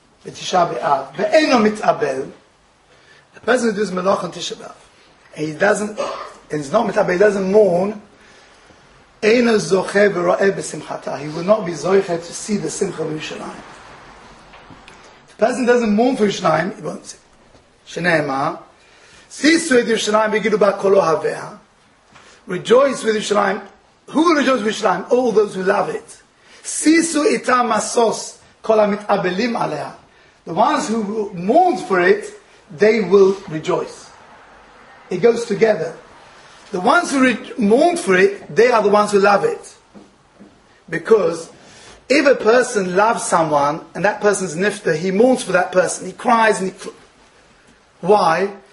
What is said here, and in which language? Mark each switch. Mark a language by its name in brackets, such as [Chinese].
[Hebrew] בתשעה באב, ואינו מתאבל, [English] the person who does melach on Tisha B'Av, and he doesn't, and he's not mitabel, he doesn't mourn, [Hebrew] אינו זוכה ורואה בשמחתה, [English] he will not be zoche to see the simcha of Yerushalayim. The person doesn't mourn for Yerushalayim, he won't see. [Hebrew] שנאמר, שישו את ירושלים ויגידו בה כל אוהביה, [English] rejoice with Yerushalayim, who will rejoice with Yerushalayim? All those who love it. [Hebrew] שישו איתה מסוס, כל המתאבלים עליה. [English] The ones who mourn for it, they will rejoice. It goes together. The ones who mourn for it, they are the ones who love it. Because if a person loves someone, and that person's nifter, he mourns for that person, he cries, and he why?